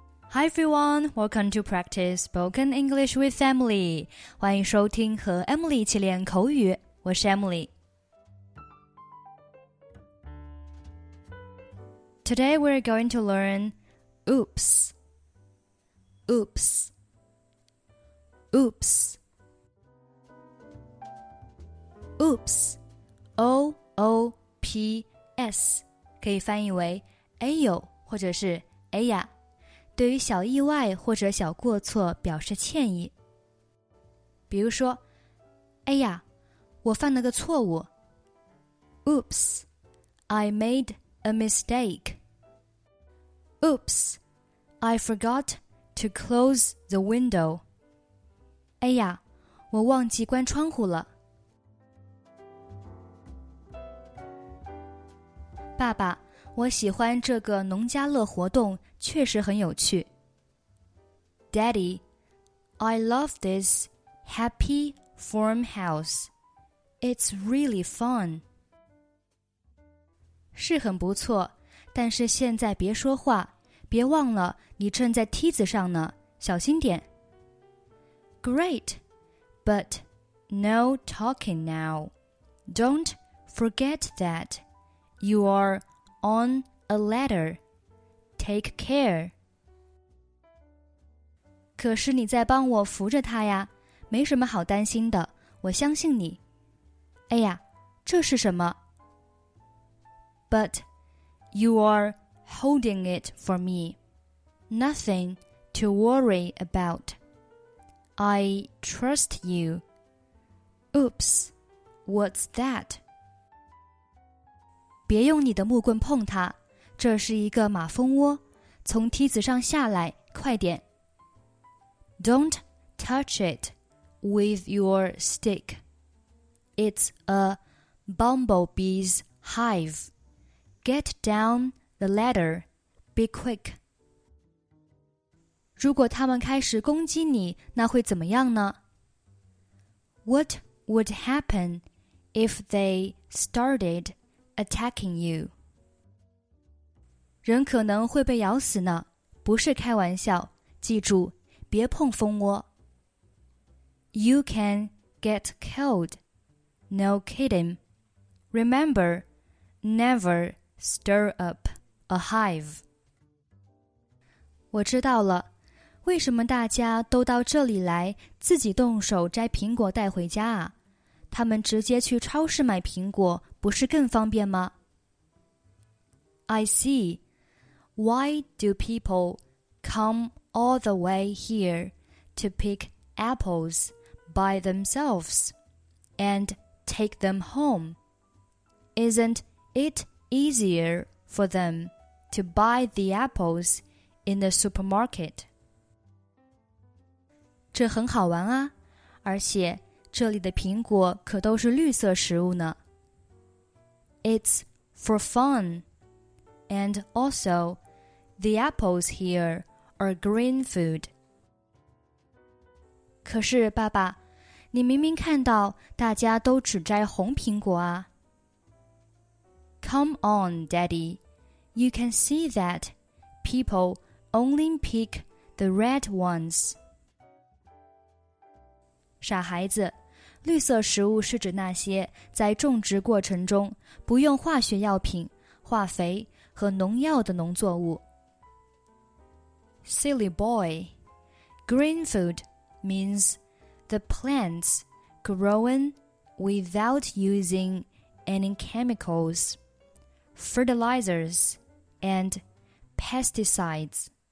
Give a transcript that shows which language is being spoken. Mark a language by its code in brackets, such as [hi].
[en] Hi everyone, welcome to Practice Spoken English with Emily. [zh] 欢迎收听和 Emily 一起练口语，我是 Emily. [en] Today we're going to learn oops. Oops. Oops. Oops. O-O-P-S. [zh] 可以翻译为哎呦或者是哎呀。对于小意外或者小过错表示歉意。比如说，哎呀，我犯了个错误。 [en] Oops, I made a mistake. Oops, I forgot to close the window. [zh] 哎呀，我忘记关窗户了。爸爸，我喜欢这个农家乐活动，确实很有趣。 [en] Daddy, I love this happy farmhouse. It's really fun. [zh] 是很不错，但是现在别说话，别忘了你正在梯子上呢，小心点。 [en] Great, but no talking now. Don't forget that you are... On a ladder. Take care. [zh] 可是你在帮我扶着他呀，没什么好担心的，我相信你。哎呀，这是什么？ [en] But you are holding it for me. Nothing to worry about. I trust you. Oops, what's that? [zh] 别用你的木棍碰它，这是一个马蜂窝，从梯子上下来，快点。 [en] Don't touch it with your stick. It's a bumblebee's hive. Get down the ladder. Be quick. [zh] 如果他们开始攻击你，那会怎么样呢？ [en] What would happen if they started? Attacking you. [zh] 人可能会被咬死呢，不是开玩笑，记住，别碰蜂窝。 [en] You can get killed. No kidding. Remember, never stir up a hive. [zh] 我知道了，为什么大家都到这里来，自己动手摘苹果带回家啊？他们直接去超市买苹果，不是更方便吗？ [en] I see. Why do people come all the way here to pick apples by themselves and take them home? Isn't it easier for them to buy the apples in the supermarket? [zh] 这很好玩啊，而且这里的苹果可都是绿色食物呢。 [en] It's for fun. And also, the apples here are green food. [zh] 可是爸爸，你明明看到大家都只摘红苹果啊。 [en] Come on, Daddy. You can see that people only pick the red ones. [zh] 傻孩子。绿色食物是指那些在种植过程中不用化学药品、化肥和农药的农作物。 [en] Silly boy, green food means the plants growing without using any chemicals, fertilizers, and pesticides.